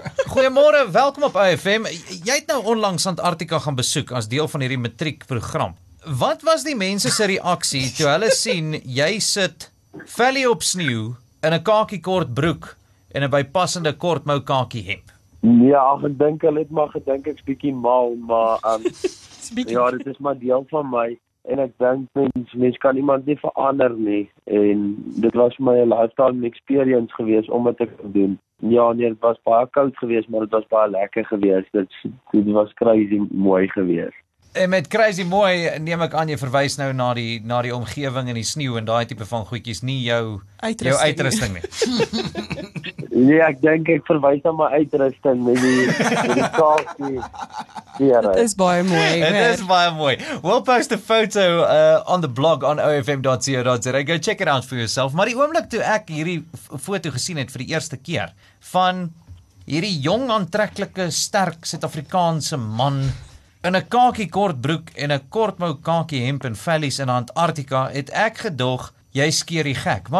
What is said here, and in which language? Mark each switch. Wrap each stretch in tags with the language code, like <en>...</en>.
<af>Goeiemôre, welkom op IFM. Jy het nou onlangs Antarktika gaan besoek as deel van hierdie matriekprogram. Wat was die mense se reaksie toe hulle sien jy sit Valley op sneeuw in 'n kakie kort broek en 'n bypassende kort mou kakie hemp? Ja, ek dink hulle het maar gedink ek's bietjie mal, maar ja, dit is maar deel van my en ek dink mens kan iemand nie verander nie en dit was my lifetime experience geweest om dit te doen. Ja, nee, dit was baie koud geweest, maar dit was baie lekker geweest. Dit was crazy mooi geweest. En met crazy mooi neem ek aan jy verwys nou na die omgewing en die sneeuw en daai tipe van goedjies, nie jou uitrusting nie. Nee, ek dink ek verwys na my uitrusting met die kaartjie. Dit is baie mooi.</af> <en>We'll post a photo on the blog on ofm.co.za. Go check it out for yourself.</en> <af>Maar die oomblik toe ek hierdie foto gesien het vir die eerste keer van hierdie jong, aantreklike, sterk Suid-Afrikaanse man in 'n kakie kort broek en 'n kortmou kakie hemp en vellies in Antarktika, het ek gedog, jy skeer die gek.</af>